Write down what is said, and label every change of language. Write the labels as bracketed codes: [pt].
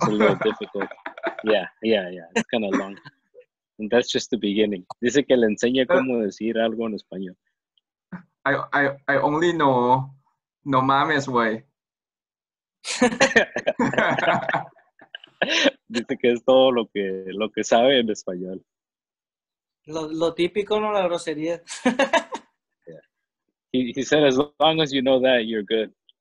[en] it's a little difficult yeah it's kind of long And that's just the beginning. [es] Dice que le enseña cómo decir algo en español. [en] I only know [es] no mames [en] way. [es] Dice que es todo lo que sabe en español. Lo típico, no la grosería. [en] Yeah. He said, as long as you know that, you're good.